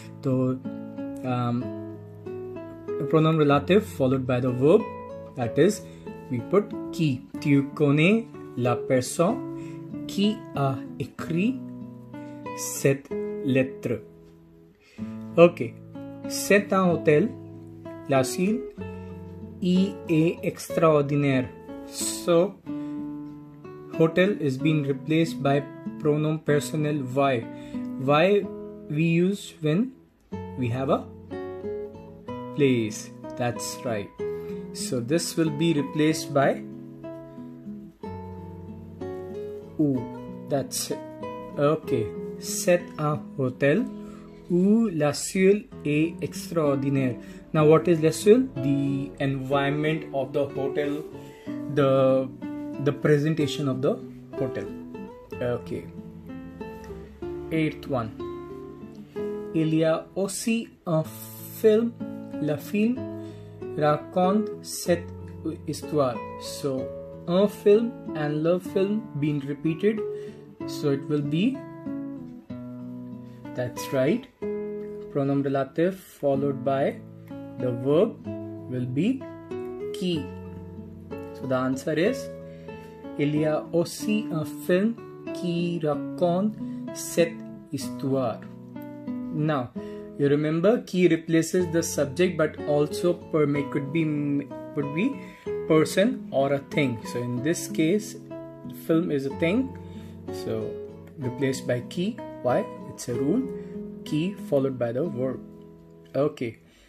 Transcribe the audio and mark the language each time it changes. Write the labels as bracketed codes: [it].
[en] So, the pronoun relative followed by the verb, that is, we put qui. [fr] Tu connais la personne qui a écrit cette lettre. Okay, c'est un hôtel. La ville y est extraordinaire. [en] So, hotel is being replaced by pronoun personnel y. Y we use when we have a place. That's right. So this will be replaced by où. That's it. Okay. [fr] C'est un hôtel où la ville est extraordinaire. [en] Now what is la ville? The environment of the hotel, the presentation of the hotel. Okay. 8th one. [fr] Il y a aussi un film. Le film raconte cette histoire. [en] So, un film and le film being repeated. So, it will be. That's right. Pronom relative followed by the verb will be qui. So, the answer is. [fr] Il y a aussi un film qui raconte cette histoire. [en] Now, you remember qui replaces the subject, but also could be person or a thing. So in this case, film is a thing. So replaced by qui. Why? It's a rule. Qui followed by the verb. Okay.